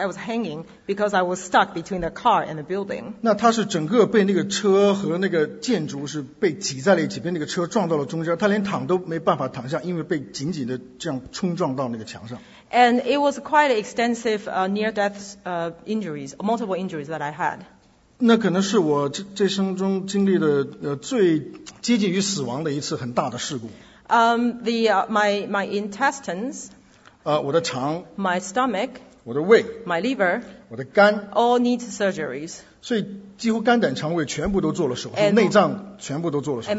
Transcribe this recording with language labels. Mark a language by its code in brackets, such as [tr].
[en] I was hanging because I was stuck between the car and the building. [zh] 那他是整个被那个车和那个建筑是被挤在了一起，被那个车撞到了中间，他连躺都没办法躺下，因为被紧紧的这样冲撞到那个墙上。 [en] And it was quite extensive near-death injuries, multiple injuries that I had. [zh] 那可能是我这生中经历的最接近于死亡的一次很大的事故。 [en] My intestines. My stomach, [zh] 我的胃, [en] my liver, [zh] 我的肝, [en] all need surgeries. [zh] 所以几乎肝胆肠胃全部都做了手术，内脏全部都做了手术。